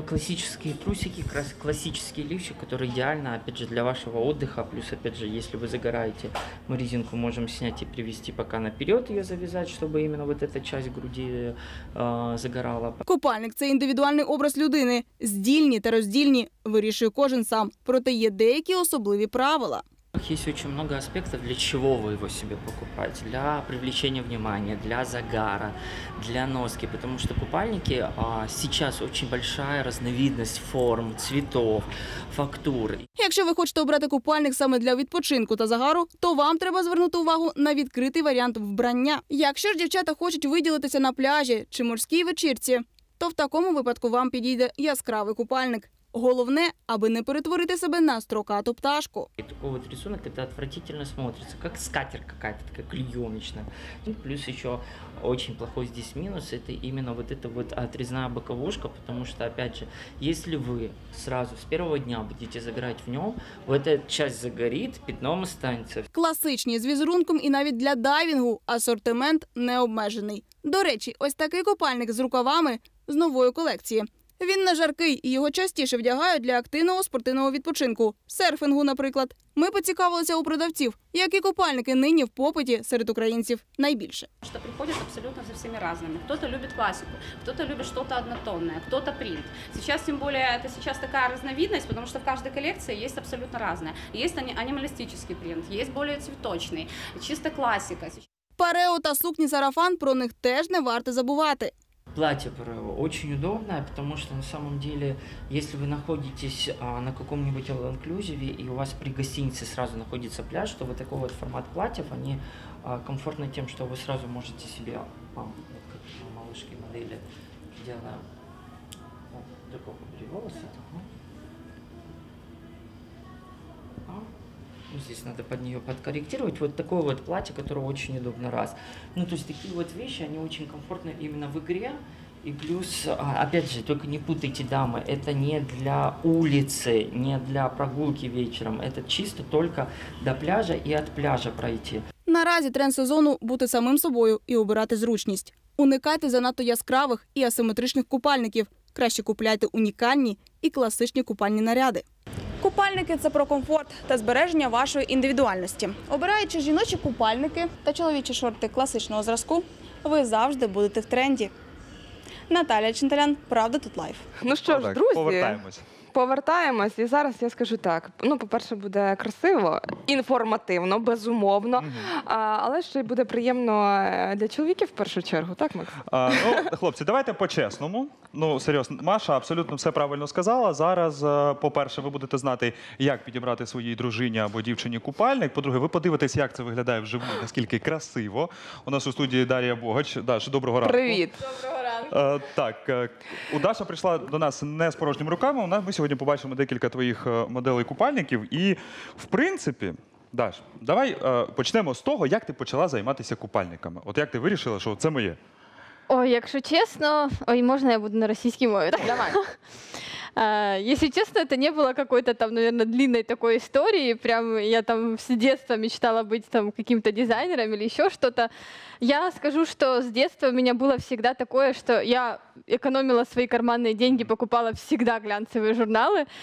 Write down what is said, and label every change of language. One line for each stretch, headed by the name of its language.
Ukrainian: Класичні трусики, класичний ліфчик, який ідеально, опять же, для вашого відпочинку, плюс, опять же, якщо ви загораєте, ми резинку можемо зняти і привезти, поки наперед її зав'язати, щоб іменно
Russian: вот эта часть груди загорала.
Ukrainian: Купальник – це індивідуальний образ людини. Здільні та роздільні вирішує кожен сам. Проте є деякі особливі правила.
Russian: Есть очень много аспектов, для чего вы его себе покупаете. Для привлечения внимания, для загара, для носки. Потому что купальники сейчас очень большая разновидность форм, цветов, фактур. Если вы хотите
Ukrainian: обрати купальник саме для відпочинку та загару, то вам треба звернути увагу на відкритий варіант вбрання. Якщо ж дівчата хочуть виділитися на пляжі чи морській вечірці, то в такому випадку вам підійде яскравий купальник. Головне, аби не перетворити себе на строкату пташку. І такий от рисунок, це
Russian: отвратительно смотрится,
Ukrainian: як скатер
Russian: какая-то,
Ukrainian: така клюйомична. Плюс ще дуже
Russian: плохой здесь мінус, це іменно вот эта вот отрізна боковушка, потому что, опять же, если вы сразу с первого дня будете загорать в ньому, вот эта часть загорит, пятном останется.
Ukrainian: Класичні, з візерунком і навіть для дайвінгу асортимент необмежений. До речі, ось такий купальник з рукавами з нової колекції. Він не жаркий і його частіше вдягають для активного спортивного відпочинку – серфінгу, наприклад. Ми поцікавилися у продавців, які купальники нині в попиті серед українців найбільше. Що приходять абсолютно за всіми різними. Хтось любить класику, хтось любить щось однотонне, хтось принт. Зараз, тим більше, це зараз така різновидність, тому що в кожній колекції є абсолютно різне. Є анімалістичний принт, є більш цвіточний, чисто класика. Парео та сукні-сарафан – про них теж не варто забувати.
Russian: Платье Парео очень удобное, потому что на самом деле, если вы находитесь на каком-нибудь all-inclusive и у вас при гостинице сразу находится пляж, то вот такой вот формат платьев, они комфортны тем, что вы сразу можете себе, вот как на малышке модели, делаем вот такой побери волосы. Здесь надо под нее подкорректировать. Вот такое вот платье, которое очень удобно раз. Ну, то есть такие вот вещи, они очень комфортны именно в игре И плюс, опять же, только не путайте, дамы, это не для улицы, не для прогулки вечером. Это чисто только до пляжа и от пляжа пройти.
Ukrainian: Наразі тренд сезону – бути самим собою і обирати зручність. Уникайте занадто яскравих і асиметричних купальників. Краще купляйте унікальні і класичні купальні наряди. Купальники – це про комфорт та збереження вашої індивідуальності. Обираючи жіночі купальники та чоловічі шорти класичного зразку, ви завжди будете в тренді. Наталія Чинтарян, Правда тут лайф. Ну що ж, друзі, повертаємось. І зараз я скажу так. Ну, по-перше, буде красиво, інформативно, безумовно. Але ще й буде приємно для чоловіків в першу чергу, так, Макс? Ну, хлопці, давайте по-чесному. Ну, серйозно, Маша абсолютно все правильно сказала. Зараз, по-перше, ви будете знати, як підібрати своїй дружині або дівчині купальник. По-друге, ви подивитесь, як це виглядає вживу, наскільки красиво. У нас у студії Дар'я Богач. Даш, доброго ранку. Привіт. Так, у Даша прийшла до нас не з порожніми руками, ми сьогодні побачимо декілька твоїх моделей купальників. І, в принципі, Даш, давай почнемо з того, як ти почала займатися купальниками. От як ти вирішила, що це моє? Ой, якщо чесно, ой, можна я буду на російській мові? Так, давай.
Russian: Если честно, это не было какой-то там, наверное, длинной такой истории. Прям я там с детства мечтала быть там каким-то дизайнером или еще что-то. Я скажу, что с детства у меня было всегда такое, что я экономила свои карманные деньги, покупала всегда глянцевые журналы.